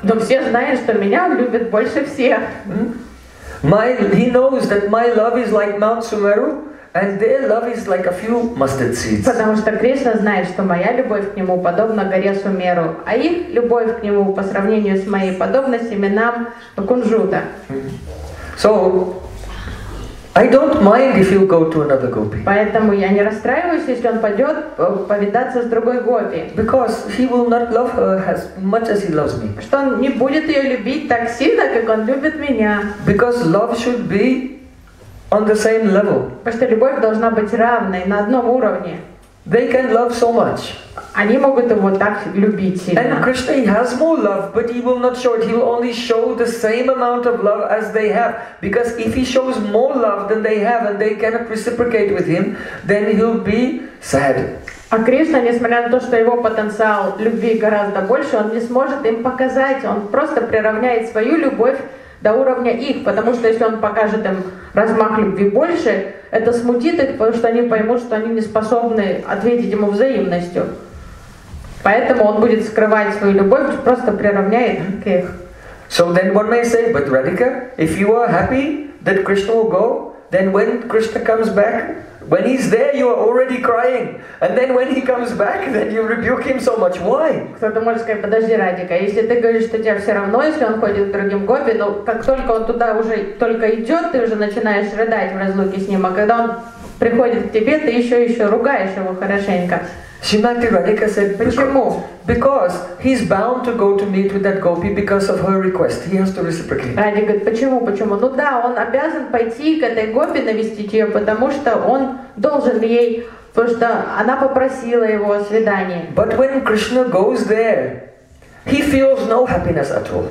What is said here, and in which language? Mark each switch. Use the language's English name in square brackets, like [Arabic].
[Russian] Но все знают, что меня он любит больше всех. [English] He knows that my love is like Mount Sumeru. And their love is like a few mustard seeds. [Russian] Потому что Кришна знает, что моя любовь к нему подобна горе Сумеру, а их любовь к нему по сравнению с моей подобна семенам кунжута. [English] So I don't mind if he'll go to another gopi. [Russian] Поэтому я не расстраиваюсь, если он пойдет повидаться с другой гопи. [English] Because he will not love her as much as he loves me. [Russian] Что он не будет ее любить так сильно, как он любит меня. [English] Because love should be on the same level. [Russian] Потому что любовь должна быть равной на одном уровне. [English] They can love so much. [Russian] Они могут его так любить сильно. [English] And Krishna has more love, but he will not show it. He will only show the same amount of love as they have. Because if he shows more love than they have and they cannot reciprocate with him, then he'll be sad. [Russian] А Кришна, несмотря на то, что его потенциал любви гораздо больше, он не сможет им показать. Он просто приравняет свою любовь до уровня их, потому что если он покажет им размах любви больше, это смутит их, потому что они поймут, что они не способны ответить ему взаимностью. Поэтому он будет скрывать свою любовь, просто приравняет к их. [English] So then one may say, but Radhika, if you are happy that Krishna will go, then when Krishna comes back, when he's there, you are already crying. And then when he comes back, then you rebuke him so much. Why? [Russian] Кто-то может сказать, подожди, Радика, если ты говоришь, что тебе все равно, если он ходит к другим гопи, но как только он туда уже только идет, ты уже начинаешь рыдать в разлуке с ним, а когда он приходит к тебе, ты еще ругаешь его хорошенько. [English] Shimati Radhika said, [Russian] почему? [English] Because he's bound to go to meet with that gopi because of her request. He has to reciprocate. [Russian] Radhika говорит, почему, почему? Ну да, он обязан пойти к этой гопи навестить ее, потому что он должен ей, потому что она попросила его о свидании. [English] But when Krishna goes there, he feels no happiness at all.